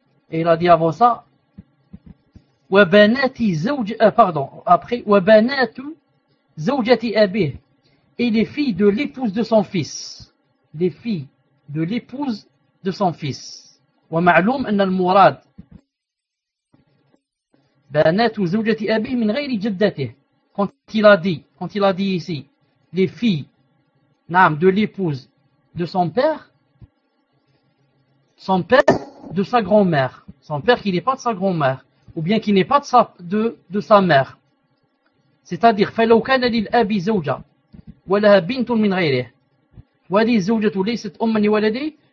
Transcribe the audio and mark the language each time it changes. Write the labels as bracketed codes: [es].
[fr] Et il a dit avant ça, [ar] wa banati zaujati, [fr] pardon, après, [ar] wa banatu zaujati abih, [fr] et les filles de l'épouse de son fils. Les filles de l'épouse de son fils. [ar] ومعلوم ان المراد بنات زوجة ابيه من غير جدته. [fr] Quand il a dit ici les filles, naam, de l'épouse de son père de sa grand-mère, son père qui n'est pas de sa grand-mère ou bien qui n'est pas de sa mère. C'est-à-dire [ar] فلو كان للابي زوجة ولها بنت من غيره وهذه الزوجة ليست ام لولده.